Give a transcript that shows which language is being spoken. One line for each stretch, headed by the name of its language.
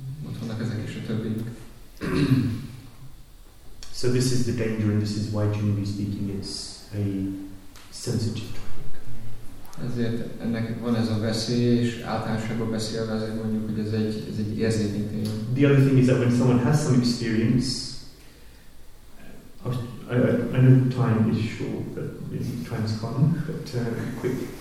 Hungarian: Ott vannak ezek is a többiek.
English: So this is the danger, and this is why, generally speaking, it's a sensitive topic.
Hungarian: Ezért ennek van ez a veszély, és általánosságban beszélve azért mondjuk, hogy ez egy érzékeny téma.
English: The other thing is that when someone has some experience, I know time is short, but it's transcon, but quick.